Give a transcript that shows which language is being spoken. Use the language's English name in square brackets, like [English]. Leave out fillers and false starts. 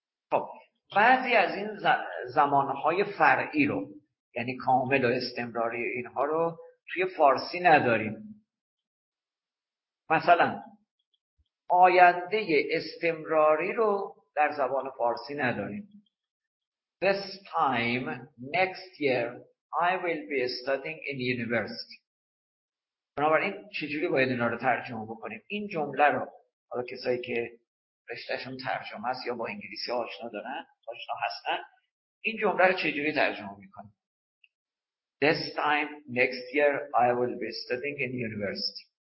[Persian] خب بعضی از این زبان‌های فرعی رو یعنی کامل و استمراری اینها رو توی فارسی نداریم. مثلا آینده استمراری رو در زبان فارسی نداریم. [English] This time next year I will be studying in university. [Persian] بنابراین چجوری باید اینا رو ترجمه بکنیم؟ این جمله رو حالا کسایی که رشتهشون ترجمه است یا با انگلیسی آشنا دارن، آشنا هستن، این جمله رو چجوری ترجمه میکنیم؟ [English] This time next year I will be studying in university.